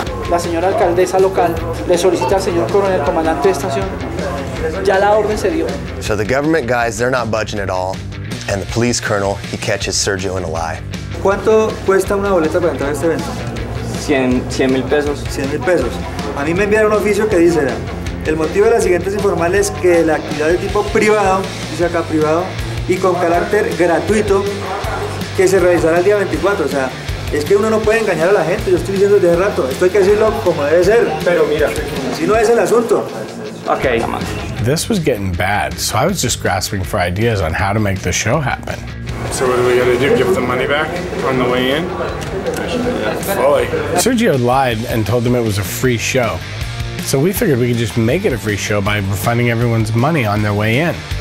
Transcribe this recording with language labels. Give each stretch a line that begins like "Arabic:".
Spanish: La señora alcaldesa local le solicita al señor coronel comandante de estación. Ya la orden se dio.
English: So the government guys, they're not budging at all. And the police colonel, he catches Sergio in a lie.
Spanish: ¿Cuánto cuesta una boleta para entrar a este evento? 100,000 pesos. 100,000 pesos. A mí me enviaron un oficio que dice, el motivo de las siguientes informales es que la actividad de tipo privado, dice acá privado, y con carácter gratuito, que se realizará el día 24. O sea, es que uno no puede engañar a la gente, yo estoy diciendo desde hace rato, esto hay que decirlo como debe ser. Pero mira, si no es el asunto. Ok.
English: This was getting bad, so I was just grasping for ideas on how to make the show happen. So what are we gonna do, give the money back on the way in? Fully. Sergio lied and told them it was a free show. So we figured we could just make it a free show by refunding everyone's money on their way in.